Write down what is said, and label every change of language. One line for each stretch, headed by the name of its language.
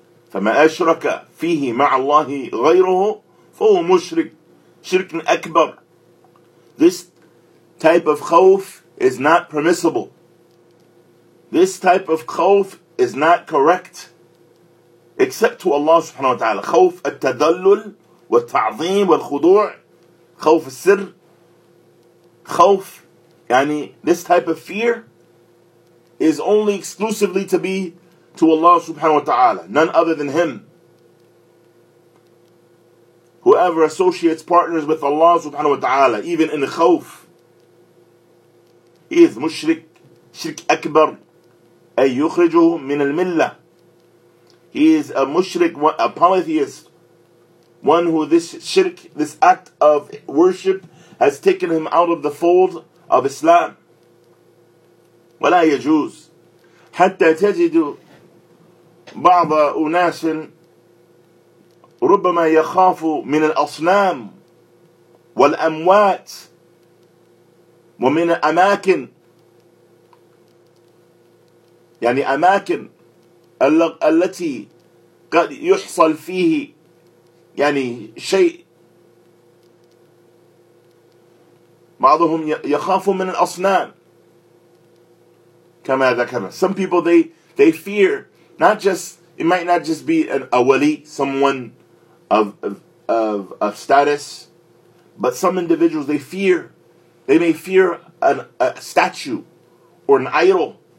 Arabic: فما أشرك فيه مع الله غيره فهو مشرك. شرك أكبر.
English: This type of خوف is not permissible. This type of خوف is not correct. Except to Allah subhanahu wa ta'ala.
Arabic: خوف التذلل والتعظيم والخضوع. خوف السر. خوف. يعني
English: this type of fear is only exclusively to be to Allah subhanahu wa ta'ala. None other than Him. Whoever associates partners with Allah subhanahu wa ta'ala, even in khawf, he is mushrik, shirk akbar,
Arabic: ay yukhrijuh min al-millah.
English: He is a mushrik, a polytheist, one who this shirk, this act of worship, has taken him out of the fold of Islam.
Arabic: ولا يجوز حتى تجد بعض أناس ربما يخاف من الأصنام والأموات ومن أماكن، يعني أماكن التي قد يحصل فيه يعني شيء. بعضهم يخاف من الأصنام كما ذكرنا.
English: Some people they fear not just, it might not just be an awali, someone of status, but some individuals they may fear a statue or an idol.